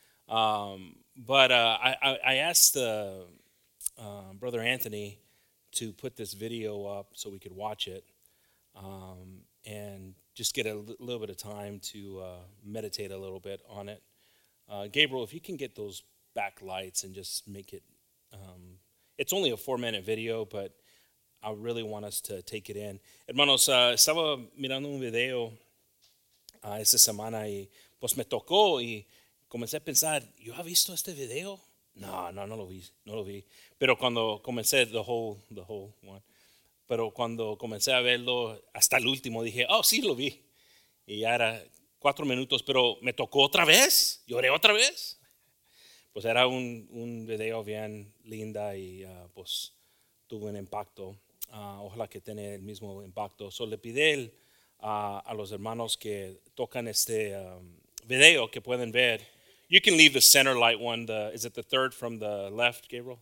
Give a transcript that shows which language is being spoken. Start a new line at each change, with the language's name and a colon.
English: But I asked Brother Anthony to put this video up so we could watch it and just get a little bit of time to meditate a little bit on it. Gabriel, if you can get those back lights and just make it, it's only a four-minute video, but I really want us to take it in.
Spanish: Hermanos, estaba mirando un video esta semana y pues me tocó y comencé a pensar, ¿yo ha visto este video? No lo vi. Pero cuando comencé
English: the whole one.
Spanish: Pero cuando comencé a verlo hasta el último, dije, oh, sí, lo vi. Y ya era 4 minutos, pero me tocó otra vez. Lloré otra vez. Pues era un video bien linda y pues tuvo un impacto. Ojalá que tenga el mismo impacto. So le pide a los hermanos que tocan este video que pueden ver.
English: You can leave the center light one. Is it the third from the left, Gabriel?